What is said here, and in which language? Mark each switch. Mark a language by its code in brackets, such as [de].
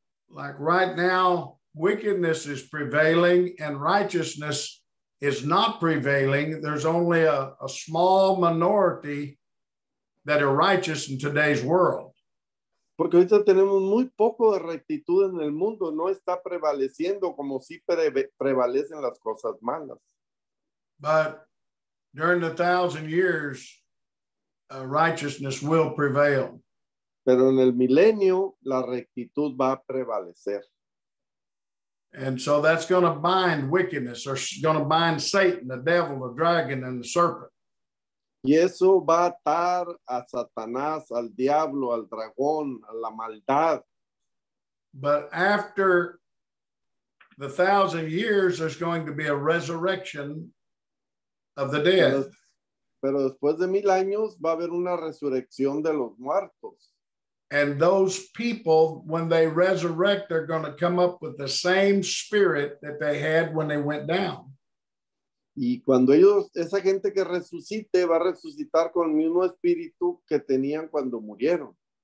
[en] Like right now, wickedness is prevailing and righteousness is not prevailing. There's only a small minority that are righteous in today's world. [es] Porque ahorita tenemos muy poco de rectitud en el mundo. No está prevaleciendo como si prevalecen las cosas malas. [en] But during the 1,000 years, righteousness will prevail. [es] Pero en el milenio, la rectitud va a prevalecer. [en] And so that's going to bind wickedness, or going to bind Satan, the devil, the dragon, and the serpent. [es] Y eso va a atar a Satanás, al diablo, al dragón, a la maldad. [en] But after the 1,000 years, there's going to be a resurrection of the dead. [es] Pero después de 1,000 años, va a haber una resurrección de los muertos. [en] And those people, when they resurrect, they're going to come up with the same spirit that they had when they went down. [es] Y cuando ellos, esa gente que resucite, va a resucitar con el mismo espíritu que tenían cuando murieron.